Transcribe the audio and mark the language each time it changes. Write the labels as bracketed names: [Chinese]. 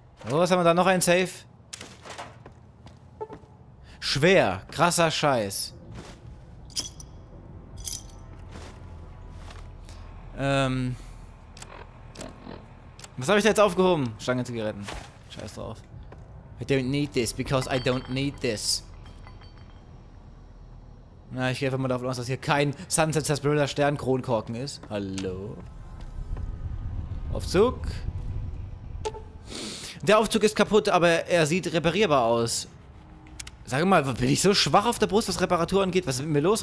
[German] Oh, was haben wir da? Noch ein Safe. Schwer. Krasser Scheiß. Was habe ich da jetzt aufgehoben? Stangenzigaretten. Scheiß drauf. [English] I don't need this, because I don't need this. [German] Na, ich gehe einfach mal davon aus, dass hier kein Sunset Sarsaparilla Sternkronkorken ist. Hallo? Aufzug. Der Aufzug ist kaputt, aber er sieht reparierbar aus. Sag mal, bin ich so schwach auf der Brust, was Reparatur angeht? Was ist mit mir los?